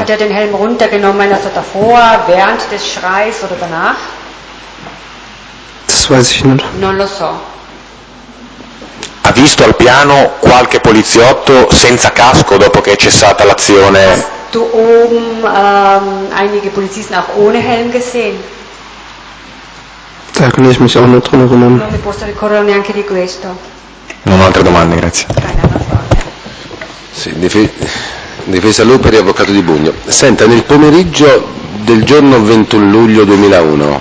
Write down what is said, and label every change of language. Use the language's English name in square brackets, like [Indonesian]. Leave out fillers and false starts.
[German] Hat er den Helm runtergenommen, also davor, während des Schreis oder danach? Das weiß ich nicht. [Italian] Non lo so. Ha visto al piano qualche poliziotto senza casco dopo che è cessata l'azione? [German] Hast du oben einige Polizisten auch ohne Helm gesehen? Da kann ich mich auch nicht dran erinnern. [Italian] Non mi posso ricordare neanche di questo. Non ho altre domande, grazie. Sì, difesa Luperi, avvocato di Bugno. Senta, nel pomeriggio del giorno 21 luglio 2001,